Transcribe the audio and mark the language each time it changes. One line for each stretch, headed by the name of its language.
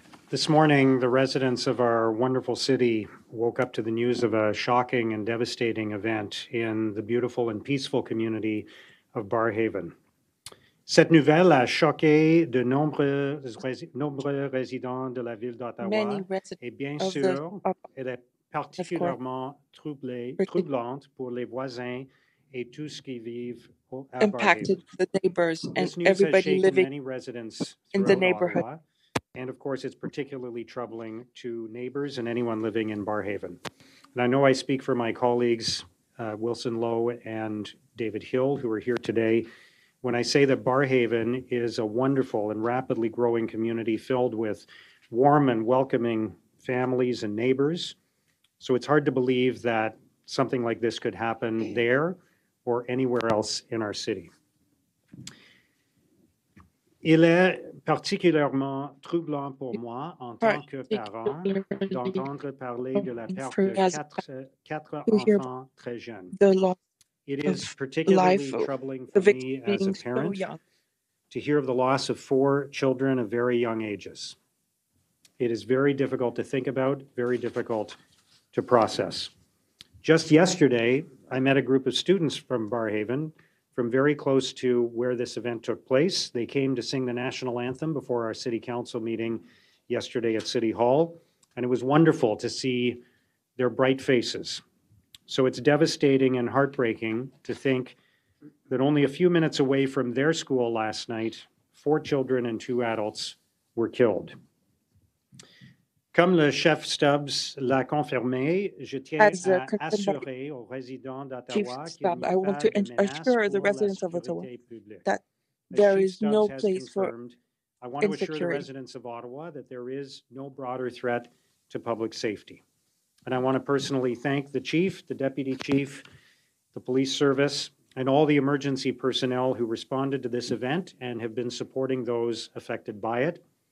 English: This morning, the residents of our wonderful city woke up to the news of a shocking and devastating event in the beautiful and peaceful community of Barrhaven.
French: Cette nouvelle a choqué de nombreux résidents de la ville d'Ottawa. Et bien sûr, elle est particulièrement troublante pour les voisins et tous ceux qui vivent à Barrhaven.
English: Impacted the neighbors and everybody living in the neighborhood. Ottawa. And of course, it's particularly troubling to neighbors and anyone living in Barrhaven. And I know I speak for my colleagues, Wilson Lowe and David Hill, who are here today, when I say that Barrhaven is a wonderful and rapidly growing community filled with warm and welcoming families and neighbors. So it's hard to believe that something like this could happen there or anywhere else in our city.
French: Il est particulièrement troublant pour moi en tant que parent d'entendre parler de la perte de quatre enfants très jeunes.
English: It is particularly troubling for me as a parent to hear of the loss of four children of very young ages. It is very difficult to think about, very difficult to process. Just yesterday, I met a group of students from Barrhaven from very close to where this event took place. They came to sing the national anthem before our city council meeting yesterday at City Hall, and it was wonderful to see their bright faces. So it's devastating and heartbreaking to think that only a few minutes away from their school last night, four children and two adults were killed.
French: Comme le chef Stubbs l'a confirmé, je tiens à assurer aux résidents d'Ottawa
English: I want to assure the residents of Ottawa that there is no place for insecurity. I want to assure the residents of Ottawa that there is no broader threat to public safety. And I want to personally thank the chief, the deputy chief, the police service, and all the emergency personnel who responded to this event and have been supporting those affected by it.